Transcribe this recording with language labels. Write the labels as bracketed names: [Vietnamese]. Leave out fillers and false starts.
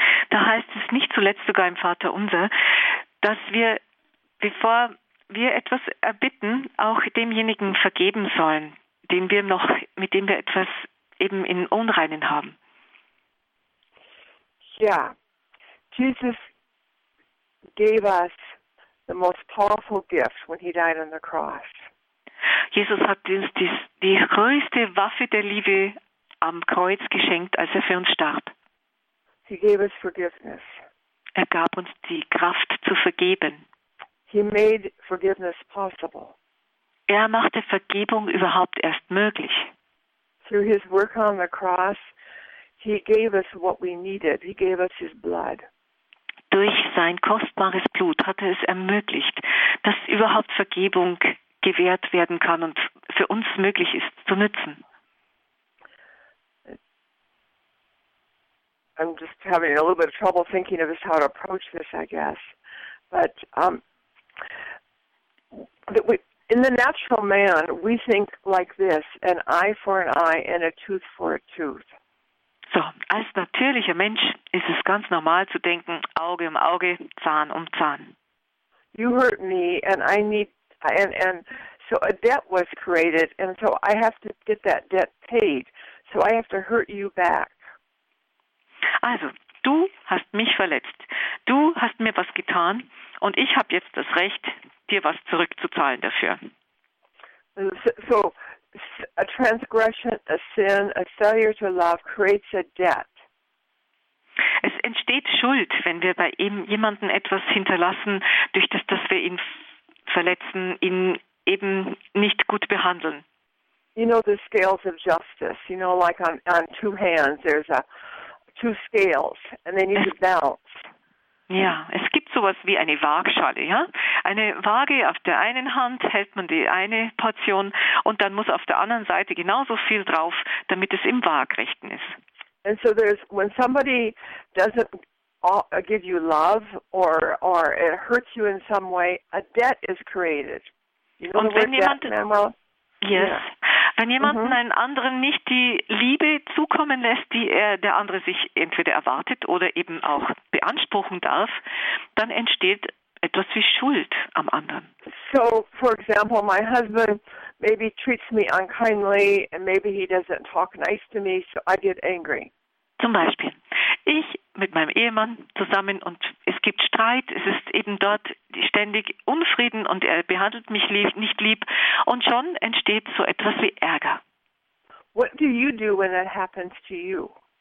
[German] Da heißt es nicht zuletzt sogar im Vater Unser, dass wir, bevor wir etwas erbitten, auch demjenigen vergeben sollen, mit dem wir etwas eben in Unreinen haben. [English] Ja, Jesus gave us the most powerful gift when he died on the cross. [German] Jesus hat uns die größte Waffe der Liebe am Kreuz geschenkt, als er für uns starb. [English] He gave us forgiveness. [German] Er gab uns die Kraft zu vergeben. [English] He made forgiveness possible. [German] Er machte Vergebung überhaupt erst möglich. [English] Through his work on the cross, he gave us what we needed. He gave us his blood. [German] Durch sein kostbares Blut hat er es ermöglicht, dass überhaupt Vergebung gewährt werden kann und für uns möglich ist, zu nützen. [English] I'm just having a little bit of trouble thinking of how to approach this, I guess. But in the natural man, we think like this, an eye for an eye and a tooth for a tooth. [German] So, als natürlicher Mensch ist es ganz normal zu denken, Auge um Auge, Zahn um Zahn. [English] You hurt me and I need, and so a debt was created and so I have to get that debt paid. So I have to hurt you back. [German] Also, du hast mich verletzt. Du hast mir was getan und ich habe jetzt das Recht, dir was zurückzuzahlen dafür. [English] So, a transgression, a sin, a failure to love creates a debt. [German] Es entsteht Schuld, wenn wir bei ihm jemanden etwas hinterlassen, durch das, dass wir ihn verletzen, ihn eben nicht gut behandeln. [English] You know the scales of justice. You know, like on two hands, there's two scales, and they need to balance. [German] Ja, es gibt sowas wie eine Waagschale, ja? Eine Waage, auf der einen Hand hält man die eine Portion und dann muss auf der anderen Seite genauso viel drauf, damit es im Waagrechten ist. [English] And so there's, when somebody doesn't give you love or it hurts you in some way, a debt is created. You know [German] und [English] the word [German] wenn jemand, [English] debt, Manuel? Yes. Yeah. [German] Wenn jemanden einen anderen nicht die Liebe zukommen lässt, die er der andere sich entweder erwartet oder eben auch beanspruchen darf, dann entsteht etwas wie Schuld am anderen. [English] So, for example, my husband maybe treats me unkindly and maybe he doesn't talk nice to me, so I get angry. [German] Zum Beispiel, ich mit meinem Ehemann zusammen und es gibt Streit, es ist eben dort ständig Unfrieden und er behandelt mich nicht lieb und schon entsteht so etwas wie Ärger. [English] What do you do when that happens to you?